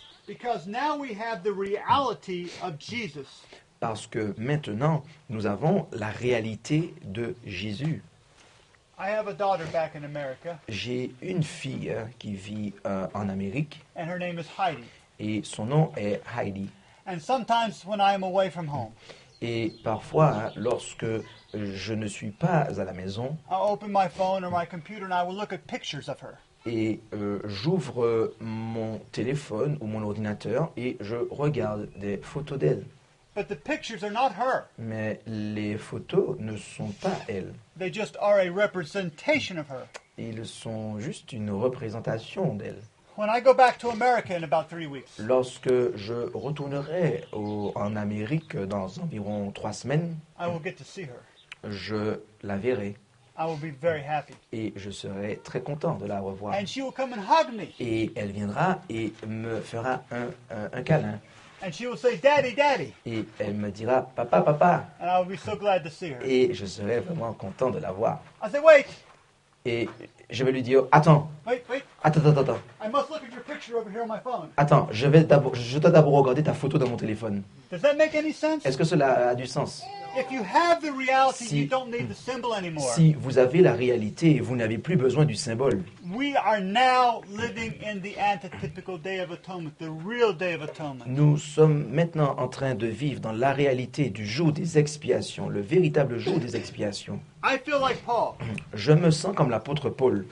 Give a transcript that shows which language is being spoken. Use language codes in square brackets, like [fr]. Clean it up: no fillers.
[en] Because now we have the reality of Jesus. [fr] Parce que maintenant nous avons la réalité de Jésus. [en] I have a daughter back in America. [fr] J'ai une fille qui vit en Amérique. [en] And her name is Heidi. [fr] Et son nom est Heidi. [en] And sometimes when I am away from home. [fr] Et parfois, lorsque je ne suis pas à la maison, [en] I'll open my phone or my computer and I will look at pictures of her. [fr] Et j'ouvre mon téléphone ou mon ordinateur et je regarde des photos d'elle. [en] But the pictures are not her. [fr] Mais les photos ne sont pas elle. [en] They just are a representation of her. [fr] Ils sont juste une représentation d'elle. [en] When I go back to America in about 3 weeks. [fr] Lorsque je retournerai en Amérique dans environ 3 semaines. [en] I will get to see her. [fr] Je la verrai. [en] I will be very happy. [fr] Et je serai très content de la revoir. [en] And she will come and hug me. [fr] Et elle viendra et me fera un câlin. [en] And she will say, "Daddy, daddy." [fr] Et elle me dira, papa, papa. [en] And I will be so glad to see her. [fr] Et je serai vraiment content de la voir. [en] I say, "Wait." [fr] Et je vais lui dire, attends. [en] Wait. [fr] Attends. [en] I must look at your picture over here on my phone. [fr] Attends, je dois d'abord regarder ta photo dans mon téléphone. [en] Does that make any sense? [fr] Est-ce que cela a du sens? [en] If you have the reality, you don't need the symbol anymore. [fr] Si vous avez la réalité, vous n'avez plus besoin du symbole. [en] We are now living in the antitypical day of atonement, the real day of atonement. [fr] Nous sommes maintenant en train de vivre dans la réalité du jour des expiations, le véritable jour des expiations. [en] I feel like Paul. [fr] Je me sens comme l'apôtre Paul.